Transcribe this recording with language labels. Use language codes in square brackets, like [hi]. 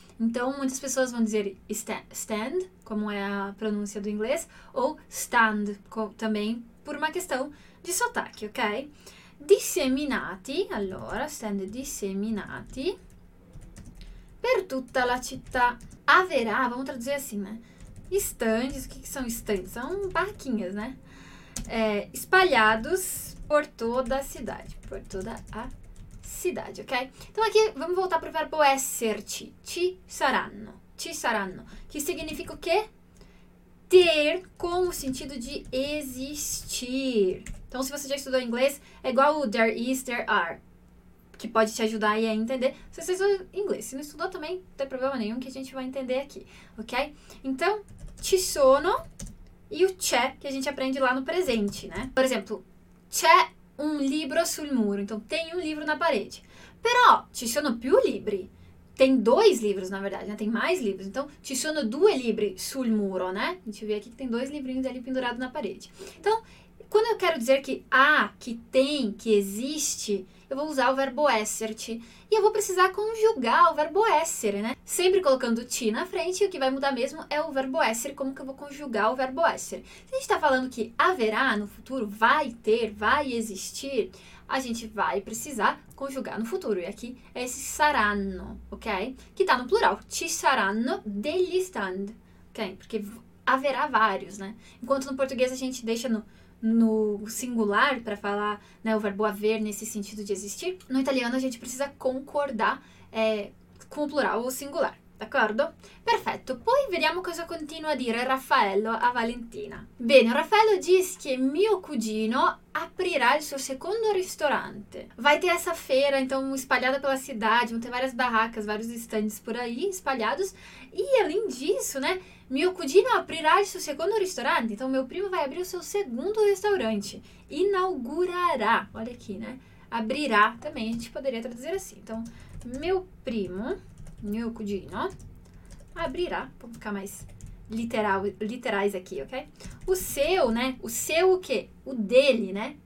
[pt] Então, muitas pessoas vão dizer stand, como é a pronúncia do inglês, ou stand, também por uma questão de sotaque, ok? [it] Disseminati, allora, stand disseminati, per tutta la città. [pt] Haverá, vamos traduzir assim, né? Stands, o que são stands? São barraquinhas, né? Espalhados por toda a cidade. Por toda a cidade, ok? Então aqui, vamos voltar para o verbo esserci. [it] Ci saranno. Ci saranno. [pt] Que significa o quê? Ter com o sentido de existir. Então, se você já estudou inglês, é igual o [en] there is, there are, [pt] que pode te ajudar aí a entender. Se você estudou inglês, se não estudou também, não tem problema nenhum que a gente vai entender aqui, ok? Então, ci sono e o c'è, que a gente aprende lá no presente, né? Por exemplo, c'è [it] un libro sul muro, [pt] então tem um livro na parede. [it] Però ci sono più libri. [pt] Tem dois livros, na verdade, né? Tem mais livros. [it] Então, ci sono due libri sul muro, né? [pt] Deixa eu ver aqui que tem dois livrinhos ali pendurados na parede. Então, quando eu quero dizer que há, que tem, que existe, eu vou usar o verbo esserci. E eu vou precisar conjugar o verbo essere, né? Sempre colocando ti na frente, e o que vai mudar mesmo é o verbo essere, como que eu vou conjugar o verbo essere. Se a gente tá falando que haverá no futuro, vai ter, vai existir, a gente vai precisar conjugar no futuro. E aqui é esse saranno, ok? Que tá no plural. [it] Ci saranno degli stand. Ok? [pt] Porque haverá vários, né? Enquanto no português a gente deixa no singular para falar, né, o verbo haver nesse sentido de existir. No italiano a gente precisa concordar com o plural ou singular. [it] D'accordo? Perfetto. Poi vediamo cosa continua a dire Raffaello a Valentina. Bene, Raffaello dice che mio cugino aprirà il suo secondo ristorante. [pt] Vai ter essa feira, então, espalhada pela cidade, vão ter várias barracas, vários stands por aí, espalhados. E além disso, né, [it] mio cugino aprirà il suo secondo ristorante. [pt] Então, meu primo vai abrir o seu segundo restaurante. Inaugurará. Olha aqui, né? Abrirá também, a gente poderia traduzir assim. Então, meu primo... Meu cugino abrirá, vou ficar mais literais aqui, ok? O seu, né? O seu o quê? O dele, né?